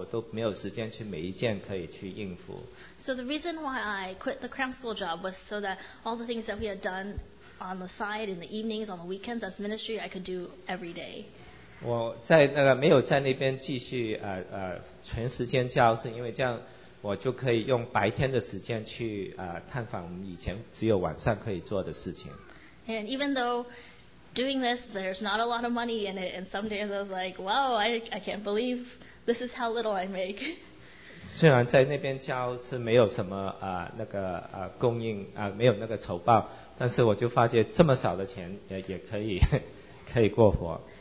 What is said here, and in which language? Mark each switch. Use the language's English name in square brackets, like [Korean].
[Chinese] 神真是很信使，过了农历年就很多事情就发生了，我都没有时间去每一件可以去应付。 [English] So the reason why I quit the cram school job was so that all the things that we had done on the side, in the evenings, on the weekends as ministry, I could do every day. [Chinese] 我在那个没有在那边继续全时间教，是因为这样。我就可以用白天的时间去探访我们以前只有晚上可以做的事情。 [English] And even though doing this, there's not a lot of money in it, and some days I was like, wow, I can't believe this is how little I make. [Chinese] 虽然在那边教是没有什么供应，没有那个酬报，但是我就发觉这么少的钱也可以过活。